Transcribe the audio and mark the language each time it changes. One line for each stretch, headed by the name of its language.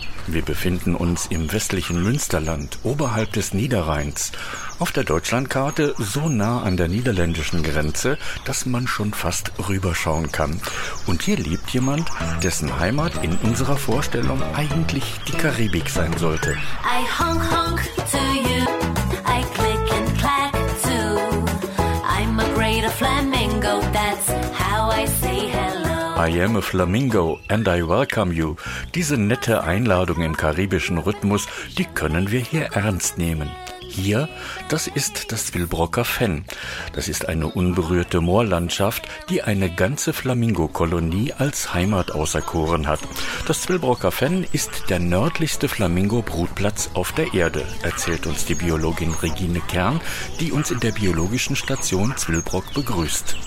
German: Wir befinden uns im westlichen Münsterland, oberhalb des Niederrheins. Auf der Deutschlandkarte so nah an der niederländischen Grenze, dass man schon fast rüberschauen kann. Und hier lebt jemand, dessen Heimat in unserer Vorstellung eigentlich die Karibik sein sollte.
English: I honk honk to you, I click and clack too. I'm a great flamingo, that's how I say. I am a flamingo and I welcome you.
German: Diese nette Einladung im karibischen Rhythmus, die können wir hier ernst nehmen. Hier, das ist das Wilbrocker Fen. Das ist eine unberührte Moorlandschaft, die eine ganze Flamingo-Kolonie als Heimat auserkoren hat. Das Wilbrocker Fen ist der nördlichste Flamingo-Brutplatz auf der Erde, erzählt uns die Biologin Regine Kern, die uns in der biologischen Station Zwillbrock begrüßt.